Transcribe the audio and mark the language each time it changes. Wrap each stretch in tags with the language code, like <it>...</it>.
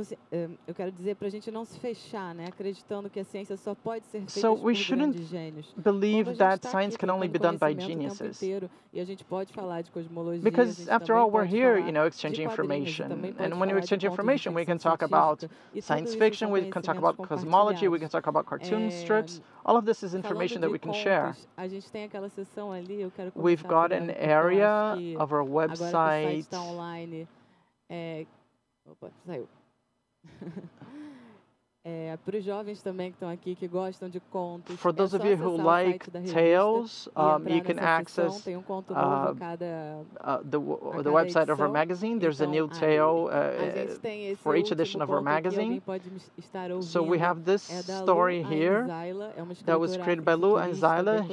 <pt>Eu quero dizer para a gente não se fechar, né? Acreditando que a ciência só pode ser feita</pt> <en>so</en> <pt>por grandes gênios.</pt> <en>Believe that science can only be done by geniuses.</en> <pt>E a gente pode falar de cosmologia.</pt> <en>Because after all, we're here, you know, exchanging information. And when we exchange information, we can talk about science fiction. We can talk about cosmology. We can talk about cartoon strips. All of this is information that we can share.</en> <pt>A gente tem aquela seção ali. Eu quero.</pt> <en>We've got an area of our website.</en> <pt>Agora que o site está online. Opa, saiu. Para os jovens também que estão aqui que gostam de contos.</pt> <en>For those of you who like tales, you can access the website of our magazine. There's a new tale for each edition of our magazine. So we have this story here that was created by Lu Anzaila.</en>